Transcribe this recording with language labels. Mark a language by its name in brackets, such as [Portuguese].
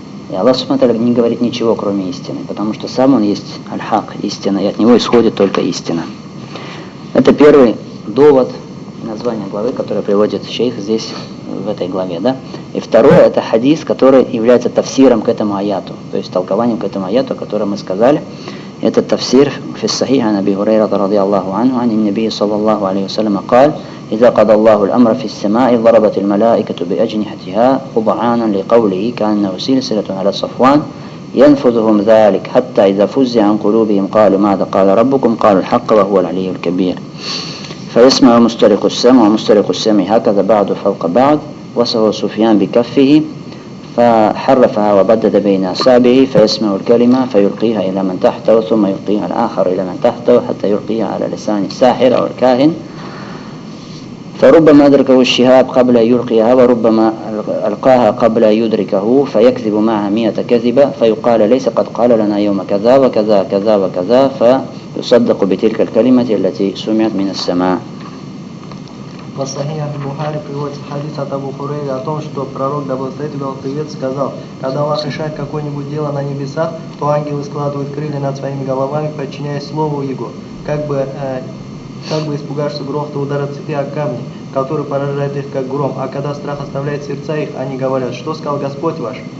[Russian] И Аллах Субхана Тааля не говорит ничего, кроме истины, потому что сам он есть аль-хак, истина, и от него исходит только истина. Это первый довод, название главы, которое приводит шейх здесь, в этой главе, да? И второе, это хадис, который является тафсиром к этому аяту, то есть толкованием к этому аяту, о котором мы сказали. Этот тафсир [Arabic] في الصحيح عن ابي هريره رضي الله عنه عن النبي صلى الله عليه وسلم قال اذا قضى الله الامر في السماء ضربت الملائكه باجنحتها قبعانا لقوله كانه سلسله على صفوان ينفذهم ذلك حتى اذا فزع عن قلوبهم قالوا ماذا قال ربكم قالوا الحق وهو العلي الكبير فيسمع مسترق السمع ومسترق السمع هكذا بعض فوق بعض وصف سفيان بكفه فحرفها وبدد بين أصابعه فيسمع الكلمة فيلقيها إلى من تحته ثم يلقيها الآخر إلى من تحته حتى يلقيها على لسان الساحر أو الكاهن فربما أدركه الشهاب قبل أن يلقيها وربما ألقاها قبل أن يدركه فيكذب معها مئة كذبة فيقال ليس قد قال لنا يوم كذا وكذا كذا وكذا فيصدق بتلك الكلمة التي سمعت من السماء. [Russian] По Сахих аль-Бухари приводится хадис от Абу Хурейры о том, что пророк, да благословит его Певец, сказал, когда Аллах решает какое-нибудь дело на небесах, то ангелы складывают крылья над своими головами, подчиняясь слову его, как бы испугаешься грохота удара цепи о камни, который поражает их как гром, а когда страх оставляет сердца их, они говорят, что сказал Господь ваш?